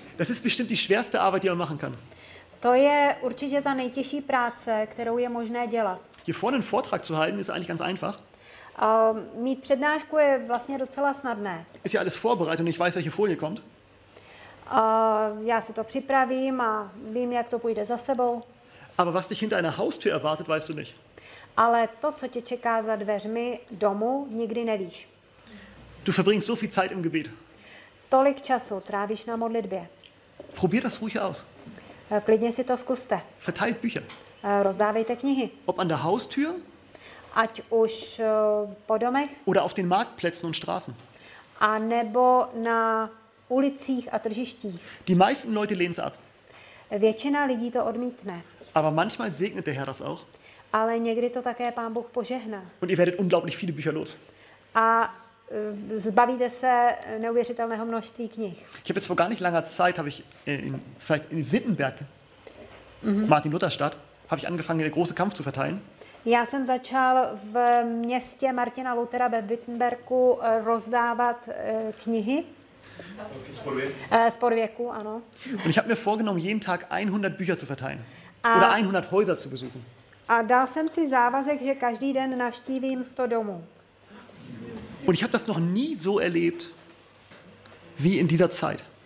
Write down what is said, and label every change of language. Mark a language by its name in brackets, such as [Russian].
[German] Das ist bestimmt die schwerste Arbeit, die man machen kann. [Czech] To je určitě ta nejtěžší práce, kterou je možné dělat. [German] Hier vorne einen Vortrag zu halten ist eigentlich ganz einfach. [Czech] Mít přednášku je vlastně docela snadné. [German] Ist ja alles vorbereitet und ich weiß, welche Folie kommt. [Czech] Já si to připravím a vím, jak to půjde za sebou. [German] Aber was dich hinter einer Haustür erwartet, weißt du nicht. [Czech] Ale to, co tě čeká za dveřmi domu, nikdy nevíš. [German] Du verbringst so viel Zeit im Gebet. [Czech] Tolik času trávíš na modlitbě. [German] Probier das ruhig aus. [Czech] Klidně si to zkuste. [German] Verteilt Bücher. [Czech] Rozdávejte knihy. [German] Ob an der Haustür. [Czech] Ať už po domech. [German] Oder auf den Marktplätzen und Straßen. [Czech] A nebo na ulicích a tržištích. [German] Die meisten Leute lehnen es ab. [Czech] Většina lidí to odmítne. [German] Aber manchmal segnet der Herr das auch. [Czech] Ale někdy to také Pán Bůh požehná. [German] Und ihr werdet unglaublich viele Bücher los. [Czech] A zbavíte se neuvěřitelného množství knih. [German] Ich habe jetzt vor gar nicht langer Zeit habe ich in vielleicht in Wittenberg. Mm-hmm. Martin Lutherstadt habe ich angefangen den großen Kampf zu verteilen. [Czech] Já jsem začal v městě Martina Luthera ve Wittenbergu rozdávat knihy. Sporvěku, ano. [German] Und ich habe mir vorgenommen jeden Tag 100 Bücher zu verteilen oder 100 Häuser zu besuchen. [Czech] A dal jsem si závazek, že každý den navštívím 100 domů. [German] Und ich habe das noch nie so erlebt wie in dieser Zeit.